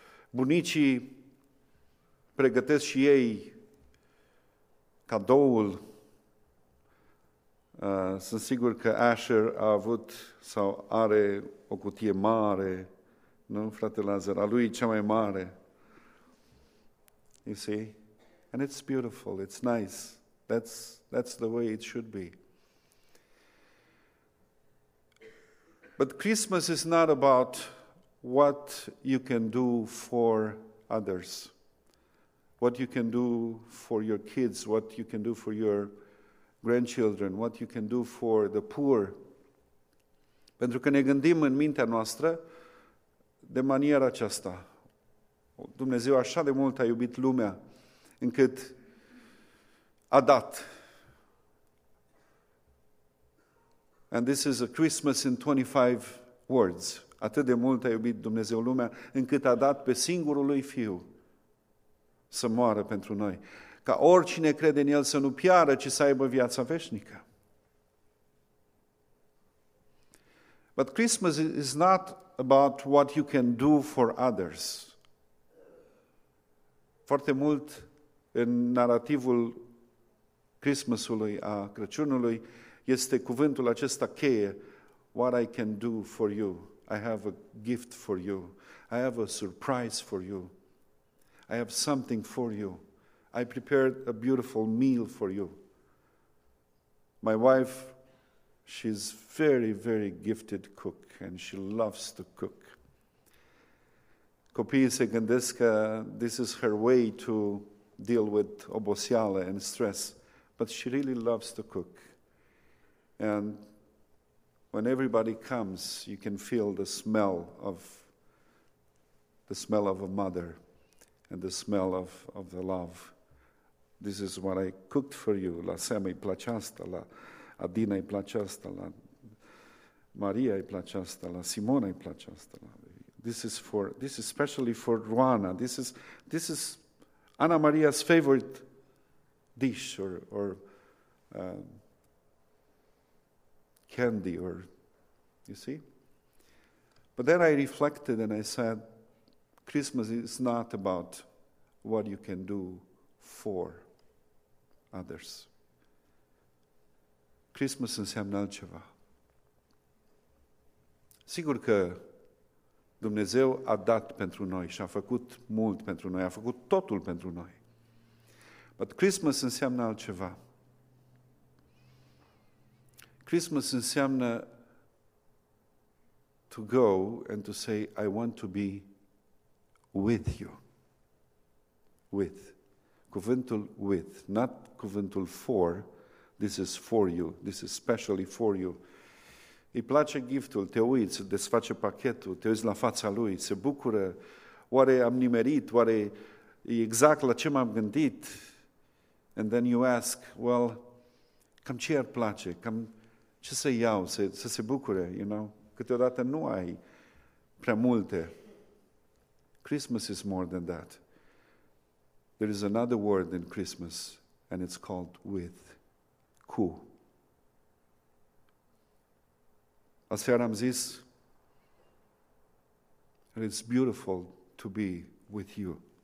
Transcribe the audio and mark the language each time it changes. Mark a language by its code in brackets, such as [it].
[ro] Bunicii pregătesc și ei cadoul. Sunt sigur că Asher a avut sau are o cutie mare, nu, frate Lazar? A lui cea mai mare. [en] You see? And it's beautiful, it's nice. That's the way it should be. But Christmas is not about what you can do for others, what you can do for your kids, what you can do for your grandchildren, what you can do for the poor. [ro] Pentru că ne gândim în mintea noastră de maniera aceasta. Dumnezeu așa de mult a iubit lumea încât a dat. [en] And this is a Christmas in 25 words. [ro] Atât de mult a iubit Dumnezeu lumea încât a dat pe singurul lui Fiu să moară pentru noi. Ca oricine crede în El să nu piară, ci să aibă viața veșnică. [en] But Christmas is not about what you can do for others. [ro] foarte mult în narativul Christmasului, a Crăciunului, este cuvântul acesta cheie, [en] what I can do for you, I have a gift for you, I have a surprise for you, I have something for you, I prepared a beautiful meal for you. My wife, she's very, very gifted cook and she loves to cook. [ro] Copiii se gândesc că [en] this is her way to deal with oboseală and stress, but she really loves to cook. And when everybody comes, you can feel the smell of a mother and the smell of the love. This is what I cooked for you. [ro] La Sema îi place asta, la Adina îi place asta, la Maria îi place asta, la Simona îi place asta. [en] This is especially for Ruana. This is Ana Maria's favorite dish or candy or, you see? But then I reflected and I said, Christmas is not about what you can do for others. [ro] Christmas înseamnă altceva. Sigur că Dumnezeu a dat pentru noi și a făcut mult pentru noi, a făcut totul pentru noi. But Christmas înseamnă altceva. [en] Christmas înseamnă to go and to say, I want to be with you. With. Cuvântul with. Not cuvântul for. This is for you. This is specially for you. [ro] Îi place giftul, te uiți, desface pachetul, te uiți la fața lui, se bucură. Oare am nimerit? Oare e exact la ce m-am gândit? [en] And then you ask, well, [ro] cam ce ar place? Cam ce să iau? Să se bucure, [en] you know? [ro] Câteodată nu ai prea multe. [en] Christmas is more than that. There is another word in Christmas, and it's called with. Cu. [ro] Aseară am zis, [en] it's beautiful to be with you.